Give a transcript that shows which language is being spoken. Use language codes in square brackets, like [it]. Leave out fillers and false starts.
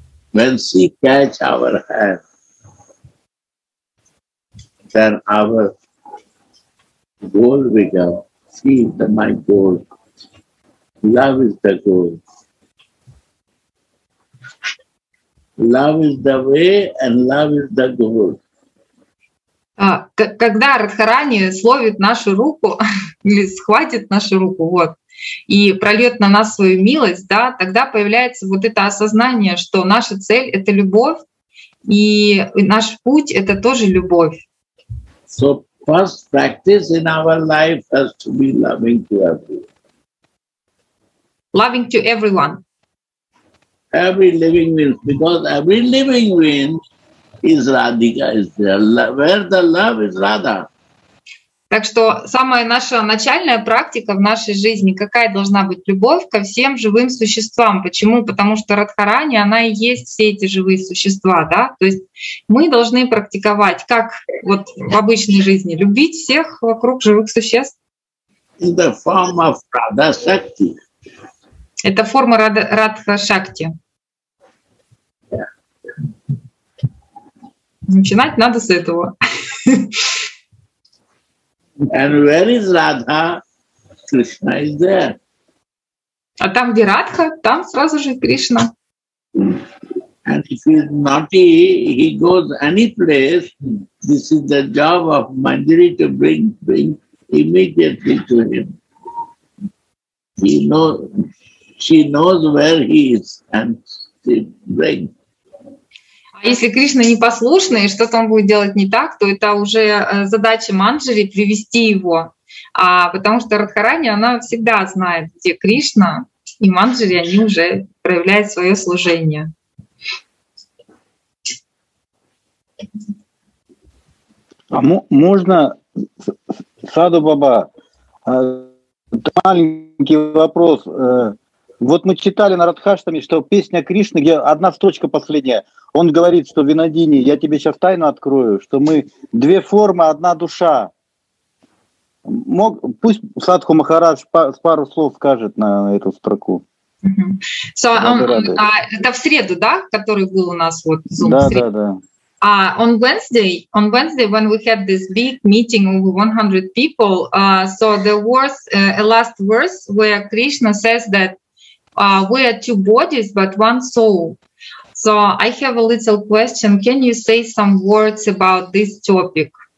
[en] When she catch our hand, then our goal become, she is my goal. Love is the goal. Love is the way and love is the goal. [ru] Когда Радхарани словит нашу руку или схватит нашу руку, вот, и прольет на нас свою милость, да, тогда появляется вот это осознание, что наша цель — это любовь, и наш путь — это тоже любовь. [en] So first practice in our life has to be loving to everyone. Loving to everyone. Every living being, because every living being is Radhika, is there. Where the love is Radha. [ru] Так что самая наша начальная практика в нашей жизни, какая должна быть любовь ко всем живым существам? Почему? Потому что Радхарани, она и есть все эти живые существа, да? То есть мы должны практиковать, как вот в обычной жизни, любить всех вокруг живых существ. [en] In the form of Radha Shakti. [ru] Это форма Радха-шакти. [en] Yeah. [ru] Начинать надо с этого. [en] And where is Radha? Krishna is there. [ru] А там, где Радха, там сразу же Кришна. [en] And if he is naughty, he goes any place. This is the job of Manjari to bring immediately to him. He knows. She knows where he is and she brings. [ru] А если Кришна непослушный, и что-то он будет делать не так, то это уже задача Манджари привести его. А потому что Радхарани, она всегда знает, где Кришна, и Манджари, они уже проявляют свое служение. А можно, Саду Баба, маленький вопрос. Вот мы читали на Радхаштаме, что песня Кришны, где одна строчка последняя, он говорит, что Винодини, я тебе сейчас тайну открою, что мы две формы, одна душа. Пусть Садху Махарадж пару слов скажет на эту строку. Это в среду, да, который был у нас вот Zoom? Да, да, да. [en] On Wednesday, when we had this big meeting of 100 people, so there was a last verse where Krishna says that we are two bodies but one soul. So I have a little question. Can you say some words about this topic?